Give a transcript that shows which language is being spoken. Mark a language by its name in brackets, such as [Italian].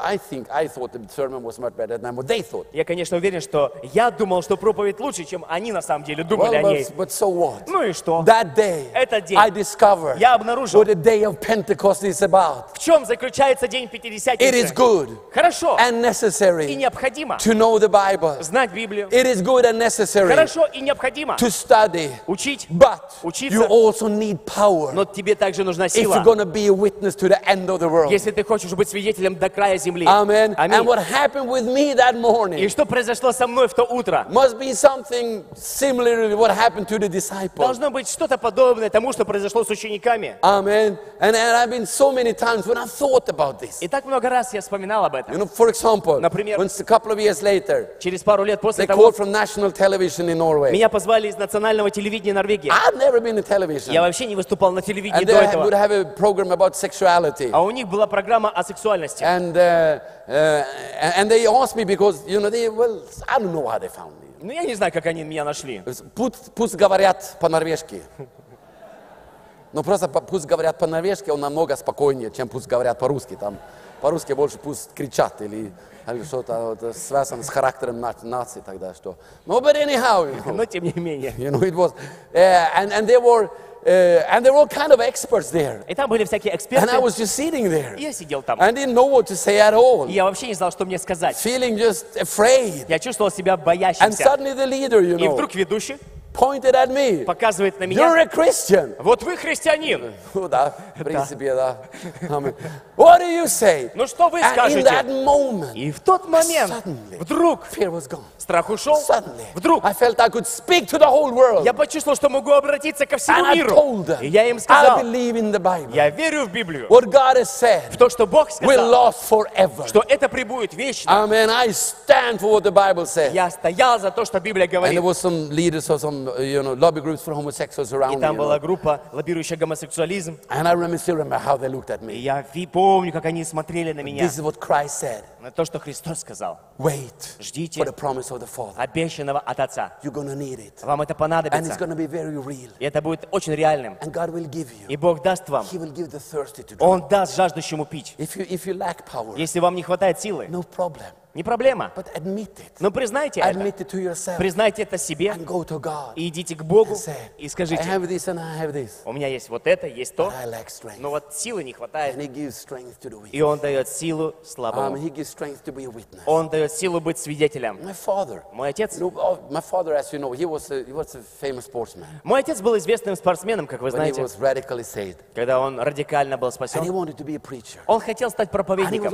[English] I thought the sermon was much better than what they thought. [Russian] Я, конечно, уверен, что я думал, что проповедь лучше, чем они на самом деле думали о ней. [English] Well, but so what? [Russian] Ну и что? [English] That day. [Russian] Этот день. [English] I discovered. [Russian] Я обнаружил. [English] What the day of Pentecost is about. [Russian] В чем заключается день Пятидесятницы? [English] It is good. [Russian] Хорошо. [English] And necessary. [Russian] И необходимо. [English] To know the Bible. [Russian] Знать Библию. [English] It is good and necessary. [Russian] Хорошо и необходимо. [English] To study. [Russian] Учить. [English] But [Russian] учиться. [English] You also need power. [Russian] Но тебе также нужна сила. [English] If you're going to be a witness to the end of the world. [Russian] Если ты хочешь быть свидетелем до края земли. [English] Amen. [Russian] Аминь. [English] And what happened with me that morning? [Russian] И что произошло со мной в то утро? [English] Must be something similar to what happened to the disciples. [Russian] Должно быть что-то подобное тому, что произошло с учениками. [English] Amen. And I've been so many times when I thought about this. [Russian] И так много раз я вспоминал об этом. [English] You know, for example, [Russian] например, [English] when a couple of years later, [Russian] через пару лет после [English] they [Russian] того, [English] called from national television in Norway. [Russian] Меня позвали из национального телевидения Норвегии. [English] I've never been in television. [Russian] Я вообще не выступал на телевидении [English] and [Russian] до [English] they [Russian] этого. [English] Would have a program about sexuality. [Russian] А у них была программа о сексуальности. [English] And they asked me because, you know, they well, I don't know how they found me. [Russian] Ну я не знаю, как они меня нашли. Пусть говорят по-норвежски. Ну просто пусть говорят по-норвежски, он намного спокойнее, чем пусть говорят по-русски. Там по-русски больше пусть кричат или что-то вот, связано с характером нации тогда что. Но [English] but anyhow. You know, [Russian] но тем не менее. [English] You know it was and they were and there were all kind of experts there. [Russian] И там были всякие эксперты. [English] And I was just sitting there. [Russian] Я сидел там. [English] And didn't know what to say at all. [Russian] Я вообще не знал, что мне сказать. [English] Feeling just afraid. [Russian] Я чувствовал себя боящимся. [English] And suddenly the leader, you know. [Russian] И вдруг ведущий. [English] pointed at me. [Russian] Показывает на меня. [English] You're a Christian. [Russian] Вот вы христианин. Ну да, в принципе, да. [English] What do you say? [Russian] Ну что вы скажете? [English] In that moment, [Russian] и в тот момент, [English] suddenly, [Russian] вдруг, [English] fear was gone. [Russian] Страх ушел. [English] Suddenly, [Russian] вдруг, [English] I felt I could speak to the whole world. [Russian] Я почувствовал, что могу обратиться ко всему [English] and [Russian] миру. [English] I told them, [Russian] и я им сказал, [English] I believe in the Bible. [Russian] Я верю в Библию. [English] What God has said, [Russian] в то, что Бог сказал, [English] will last forever. [Russian] Что это пребудет вечно. [English] Amen. I stand for what the Bible says. [Russian] Я стоял за то, что Библия говорит. [English] And there was some leaders of some, you know, lobby groups for homosexuals around me. [Russian] И там была [English] you know. [Russian] Группа, лоббирующая гомосексуализм. [English] And I still remember how they looked at me. [Russian] Я помню, как они смотрели на меня. [English] This is what Christ said. [Russian] То, что Христос сказал. [English] Wait. [Russian] Ждите. [English] For the promise of the Father. [Russian] Обещанного от Отца. [English] You're gonna need it. [Russian] Вам это понадобится. [English] And it's gonna be very real. [Russian] И это будет очень реальным. [English] And God will give you. [Russian] И Бог даст вам. [English] He will give the thirsty to drink. [Russian] Он даст жаждущему пить. [English] If you lack power. [Russian] Если вам не хватает силы. [English] No problem. [Russian] Не проблема. [English] But admit it. [Russian] Но признайте [English] admit [Russian] это. [English] It to yourself. [Russian] Признайте это себе. [English] And go to God. [Russian] И идите к Богу. [English] And say, [Russian] и скажите. [English] I have this and I have this. [Russian] У меня есть вот это, есть то. [English] But I lack strength. [Russian] Но вот силы не хватает. [English] And he gives strength to the weak. [Russian] И Он дает силу слабому. [English] He gives strength to be a witness. [Russian] Он дает силу быть свидетелем. [English] My father. [Russian] Мой отец. [English] My father, as you know, he was a famous sportsman. [Russian] Мой отец был известным спортсменом, как вы знаете. [English] When he was radically saved. [Russian] Когда он радикально был спасен. [English] And he wanted to be a preacher. [Russian] Он хотел стать проповедником.